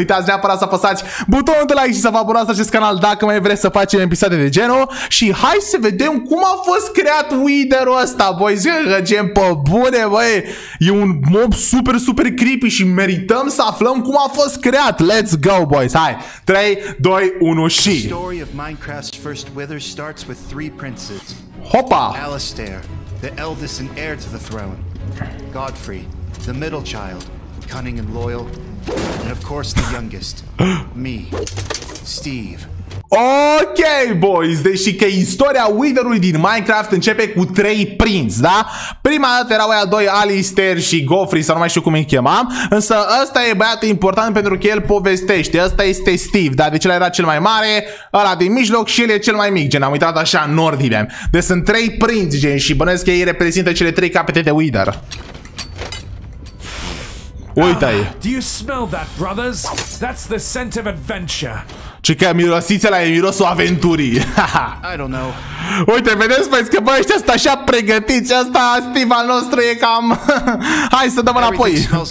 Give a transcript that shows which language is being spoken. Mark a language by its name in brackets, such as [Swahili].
[Romanian] Nu uitați neapărat să apăsați butonul de like și să vă abonați la acest canal dacă mai vreți să facem episoade de genul. Și hai să vedem cum a fost creat Wither-ul ăsta, boi, zicem pe bune, băi, e un mob super, super creepy și merităm să aflăm cum a fost creat. [English] Let's go, boys, [Romanian] hai, [English] 3, 2, 1 și... The story of Minecraft's first Wither starts with three princes. Hopa! Alistair, the eldest and heir to the throne. Godfrey, the middle child, cunning and loyal, and of course the youngest, me, Steve. [Romanian] Ok, boys, deși că istoria Wither-ului din Minecraft începe cu trei prinți, da? Prima dată erau aia doi, Alistair și Godfrey, sau nu mai știu cum îi chemam. Însă ăsta e băiatul important pentru că el povestește. Ăsta este Steve, da? Deci ăla era cel mai mare, ăla din mijloc și el e cel mai mic. Gen, am uitat așa în ordine. Deci sunt trei prinți, gen, și bănuiesc că ei reprezintă cele trei capete de Wither. Uite-i. [English] Do you smell that, brothers? That's the scent of adventure. [Romanian] Ce că mirosițele e mirosul aventurii. [English] I don't know. [Romanian] Uite, vedeți, băi, că băi, ăștia sunt așa pregătiți. Asta, Steve, al nostru e cam... Hai să dăm înapoi.